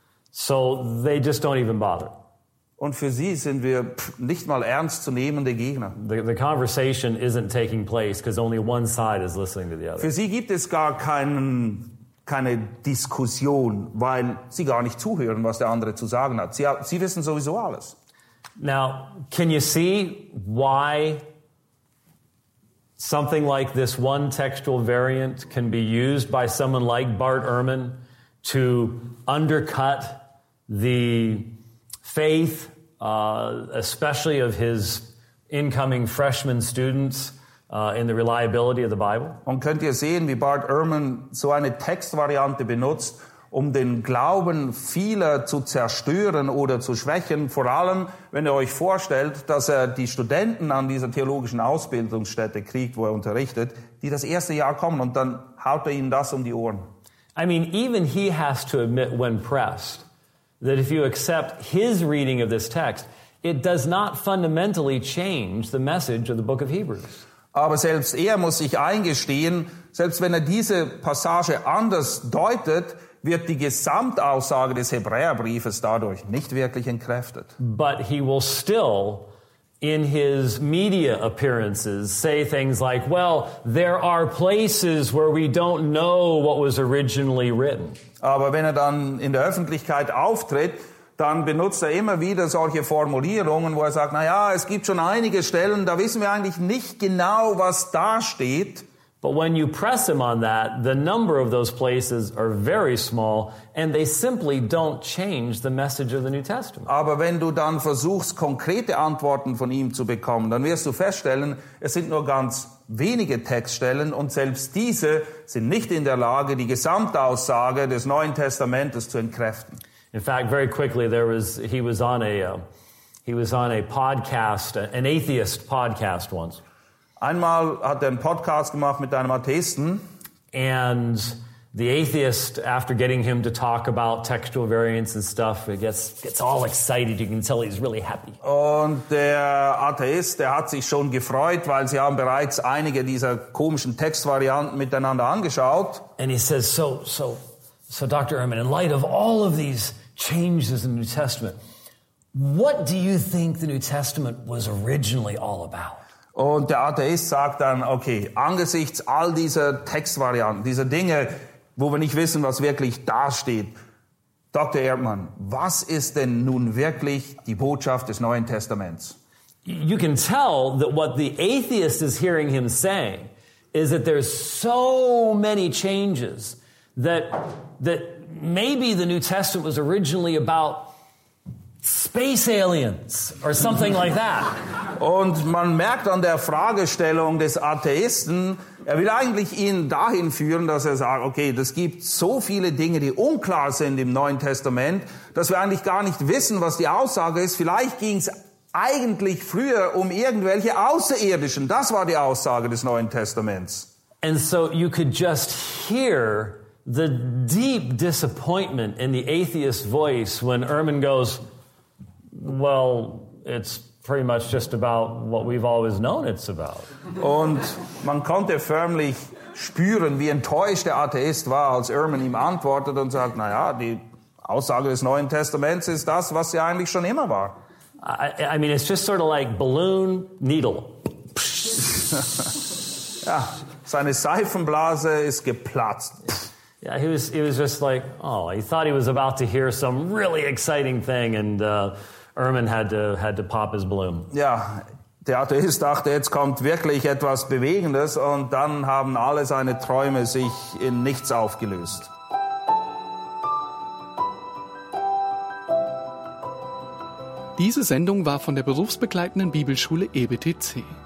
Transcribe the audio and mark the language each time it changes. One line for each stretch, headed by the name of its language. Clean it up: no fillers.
English: So they just don't even bother.
German: Und für sie sind wir nicht mal ernstzunehmende Gegner.
English: The conversation isn't taking place because only one side is listening to the other.
German: Für sie gibt es gar keine Diskussion, weil sie gar nicht zuhören, was der andere zu sagen hat. Sie wissen sowieso alles.
English: Now, can you see why something like this one textual variant can be used by someone like Bart Ehrman to undercut the faith, especially of his incoming freshman students, in the reliability of the Bible?
German: Und könnt ihr sehen, wie Bart Ehrman so eine Textvariante benutzt, um den Glauben vieler zu zerstören oder zu schwächen, vor allem, wenn ihr euch vorstellt, dass er die Studenten an dieser theologischen Ausbildungsstätte kriegt, wo er unterrichtet, die das erste Jahr kommen und dann haut er ihnen das um die Ohren.
English: I mean, even he has to admit when pressed that if you accept his reading of this text, it does not fundamentally change the message of the book of Hebrews.
German: Aber selbst er muss sich eingestehen, selbst wenn er diese Passage anders deutet, wird die Gesamtaussage des Hebräerbriefes dadurch nicht wirklich entkräftet.
English: But he will still in his media appearances say things like, well, there are places where we don't know what was originally written.
German: Aber wenn er dann in der Öffentlichkeit auftritt, dann benutzt er immer wieder solche Formulierungen, wo er sagt, na ja, es gibt schon einige Stellen, da wissen wir eigentlich nicht genau, was da steht.
English: But when you press him on that, the number of those places are very small and they simply don't change the message of the New Testament.
German: Aber wenn du dann versuchst, konkrete Antworten von ihm zu bekommen, dann wirst du feststellen, es sind nur ganz wenige Textstellen und selbst diese sind nicht in der Lage, die Gesamtaussage des Neuen Testamentes zu entkräften.
English: In fact, very quickly, he was on a podcast, an atheist podcast once.
German: Einmal hat er einen Podcast gemacht mit einem Atheisten.
English: And The atheist, after getting him to talk about textual variants and stuff, gets all excited. You can tell he's really happy.
German: Und der Atheist, der hat sich schon gefreut, weil sie haben bereits einige dieser komischen Textvarianten miteinander angeschaut.
English: And he says, so, Dr. Ehrman, in light of all of these changes in the New Testament, what do you think the New Testament was originally all about?
German: Und der Atheist sagt dann, okay, angesichts all dieser Textvarianten, dieser Dinge, wo wir nicht wissen, was wirklich dasteht. Dr. Erdmann, was ist denn nun wirklich die Botschaft des Neuen Testaments?
English: You can tell that what the atheist is hearing him saying is that there's so many changes that maybe the New Testament was originally about space aliens or something like that.
German: Und man merkt an der Fragestellung des Atheisten, er will eigentlich ihn dahin führen, dass er sagt, okay, das gibt so viele Dinge, die unklar sind im Neuen Testament, dass wir eigentlich gar nicht wissen, was die Aussage ist. Vielleicht ging es eigentlich früher um irgendwelche Außerirdischen. Das war die Aussage des Neuen Testaments.
English: And so you could just hear the deep disappointment in the atheist voice when Ehrman goes, well, it's pretty much just about what we've always known it's about.
German: Und man konnte förmlich spüren, wie enttäuscht der Atheist war, als Ehrman ihm antwortet und sagt, naja, die Aussage des Neuen Testaments ist das, was sie eigentlich schon immer war.
English: I mean, it's just sort of like balloon needle.
German: Ja, seine Seifenblase ist geplatzt.
English: Yeah, he was just like, oh, he thought he was about to hear some really exciting thing, and Ehrman had to pop his balloon.
German: Ja, der Atheist dachte, jetzt kommt wirklich etwas Bewegendes, und dann haben alle seine Träume sich in nichts aufgelöst. Diese Sendung war von der berufsbegleitenden Bibelschule EBTC.